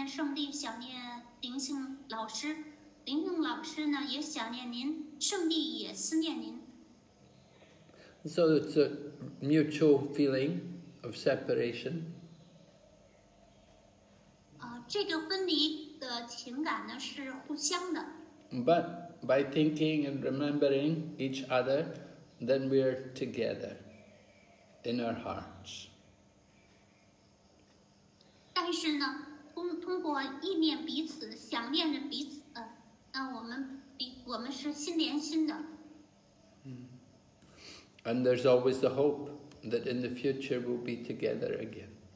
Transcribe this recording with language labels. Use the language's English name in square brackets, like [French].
[Chinese] 是的，正像您想念圣地，想念灵性老师。林永老师呢，也想念您，圣地也思念您。 [English] So it's a mutual feeling of separation. [Chinese] 这个分离的情感呢，是互相的。 [English] But by thinking and remembering each other, then we are together in our hearts. [Chinese] 但是呢，通过意念彼此，想念着彼此。 [English] And there's always the hope that in the future we'll be together again.